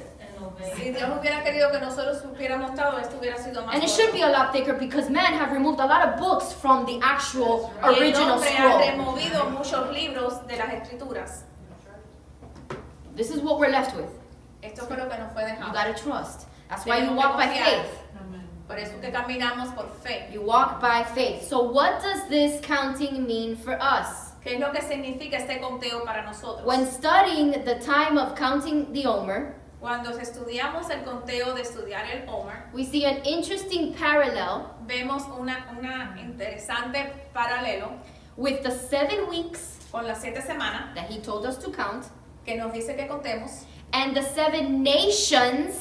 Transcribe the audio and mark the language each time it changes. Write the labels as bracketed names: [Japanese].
[English] And it should be a lot thicker because men have removed a lot of books from the actual original scroll. This is what we're left with. You gotta trust. That's why you walk by faith. [Spanish] Por eso que caminamos por fe. [English] You walk by faith. So what does this counting mean for us? [Spanish] ¿Qué es lo que significa este conteo para nosotros? [English] When studying the time of counting the Omer, [Spanish] cuando estudiamos el conteo de estudiar el Omer, [English] we see an interesting parallel. [Spanish] Vemos una interesante paralelo [English] with the 7 weeks [Spanish] con las siete semanas [English] that he told us to count, [Spanish] que nos dice que contemos, [English] and the seven nations